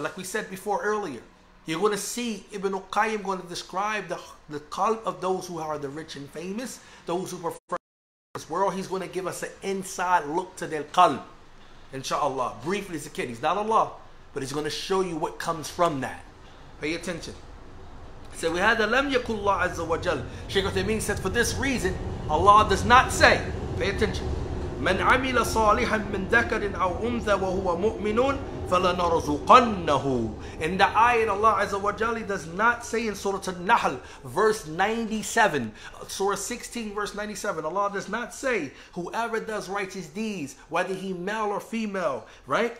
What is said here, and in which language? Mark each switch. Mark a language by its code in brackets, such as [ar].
[en] Like we said before earlier, you're going to see Ibn Qayyim going to describe the qalb of those who are the rich and famous, those who prefer this world. He's going to give us an inside look to their qalb, inshallah. Briefly, as a kid, he's not Allah, but he's going to show you what comes from that. Pay attention. So we had [ar] لَمْ يَكُلْ اللَّهُ عَزَّ وَجَلَّ. [en] Shaykh Uthaymeen said, for this reason, Allah does not say, pay attention, [ar] مَنْ عَمِلَ صَالِحًا مِنْ ذَكَرٍ أَوْ أُنْثَى وَهُوَ مُؤْمِنٌ فَلَنَرْزُقَنَّهُ. [en] In the ayah, Allah Azza wa Jalla, he does not say in Surah An-Nahl, verse 97, Surah 16, verse 97, Allah does not say, whoever does righteous deeds, whether he male or female, right?